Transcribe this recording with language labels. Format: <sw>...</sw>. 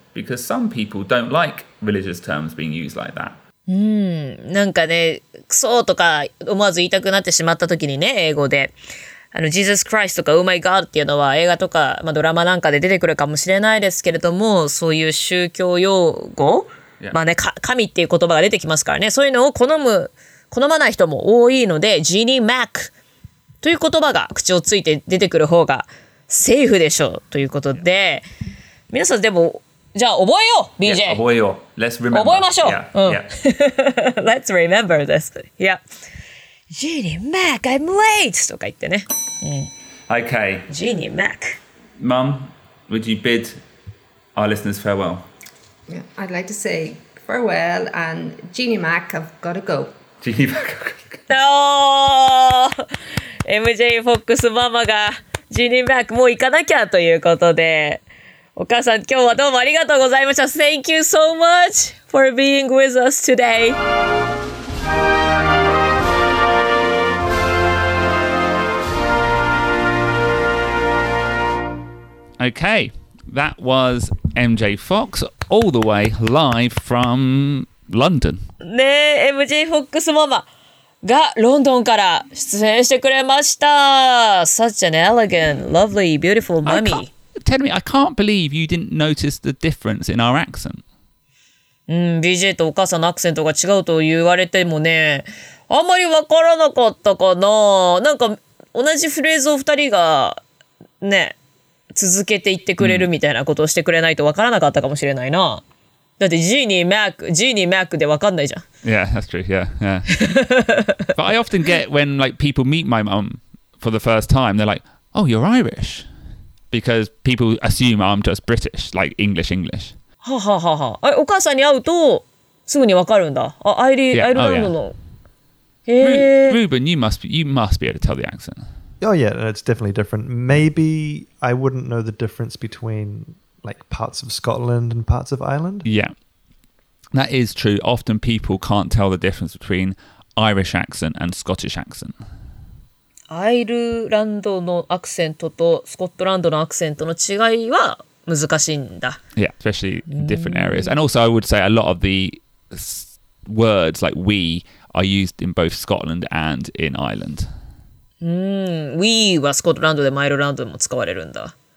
<en>Because some people don't like religious terms being used like that.</en> <ja>なんかね、クソとか思わず言いたくなってしまった時にね、英語で。あの、Jesus Christ とか Oh my God っていうのは映画とか、まあ、ドラマなんかで出てくるかもしれないですけれども、そういう宗教用語、まあね、神っていう言葉が出てきますからね、そういうのを好まない人も多いので、Jeannie Mac という言葉が口をついて出てくる方がセーフでしょうということで、皆さんでも、じゃあ覚えよう !BJ!</ja> <en>Yeah,</en> <ja>覚えよう</ja> <en>!Let's remember!</en> <ja>覚えましょう</ja> <en>yeah, yeah. !Let's remember this! Yeah!Jeannie Mac, I'm late!</en> <ja>とか言ってね。</ja> <en>Okay.Jeannie Mac. Mum, would you bid our listeners farewell? Yeah, I'd like to say farewell and Jeannie Mac, I've got to go. Jeannie Mac, I've got to go. No!</en> <ja>MJ Fox ママが Jeannie Mac もう行かなきゃということで。お母さん、今日はどうもありがとうございました。</ja> <en>Thank you so much for being with us today. Okay, that was MJ Fox all the way live from London.</en> <ja>ねえ、MJ Fox ママがロンドンから出演してくれました。</ja> <en>Such an elegant, lovely, beautiful mummy. Tell me, I can't believe you didn't notice the difference in our accent.</en> <ja>BJ とお母さんのアクセントが違うと言われてもね、あんまり分からなかったかな。なんか同じフレーズを二人がね、続けて言ってくれるみたいなことをしてくれないと分からなかったかもしれないな。だってジーニー・マック、ジーニー・マックで分かんないじゃん。</ja> <en>Yeah, that's true. Yeah, yeah. But I often get when like people meet my mum for the first time, they're like, oh, you're Irish. Because people assume I'm just British, like English, English. はははは。</en> <ja>あ、お母さんに会うとすぐにわかるんだ。あ、アイリ、アイルランドの。へえ。</ja> <en>Ruben, you must be able to tell the accent. Oh yeah, it's definitely different. Maybe I wouldn't know the difference between like parts of Scotland and parts of Ireland. Yeah, that is true. Often people can't tell the difference between Irish accent and Scottish accent.</en> <ja>アイルランドのアクセントとスコットランドのアクセントの違いは難しいんだ。</ja> <en>Yeah, especially different areas. And also I would say a lot of the words like we are used in both Scotland and in Ireland.</en> <ja>We はスコットランドでもアイルランドでも使われるんだ。</ja>